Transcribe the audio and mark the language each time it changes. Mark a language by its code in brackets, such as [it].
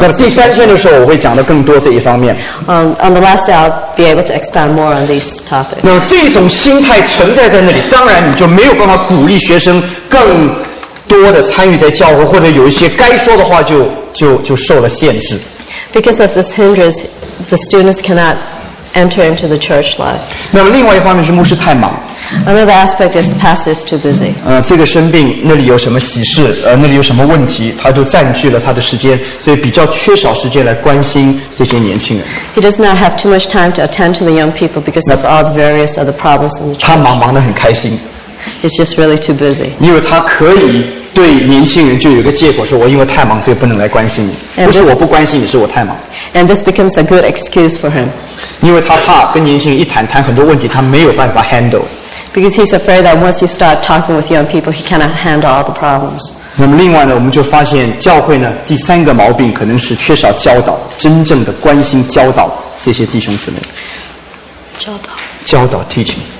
[zh] 那第三天的时候，我会讲的更多这一方面。 [en] On the last day, I'll be able to expand more on these topics. [zh] 那这种心态存在在那里，当然你就没有办法鼓励学生更多的参与在教会，或者有一些该说的话就受了限制。 [en] Because of this hindrance, the students cannot enter into the church life. [zh] 那么另外一方面是牧师太忙。 [en] Another aspect is the pastor is too busy. [zh] 这个生病，那里有什么喜事，那里有什么问题，他就占据了他的时间，所以比较缺少时间来关心这些年轻人。 [en] He does not have too much time to attend to the young people because of all the various other problems in the church. [zh] 他忙得很开心。 [en] He's just really too busy. [zh] 因为他可以对年轻人就有一个借口，说我因为太忙，所以不能来关心你。不是我不关心你，是我太忙。 [en] And this becomes a good excuse for him. [zh] 因为他怕跟年轻人一谈，谈很多问题，他没有办法 handle. [en] Because he's afraid that once you start talking with young people, he cannot handle all the problems. [zh] 那么另外呢，我们就发现教会呢，第三个毛病可能是缺少教导，真正的关心教导这些弟兄姊妹。教导。教导 teaching.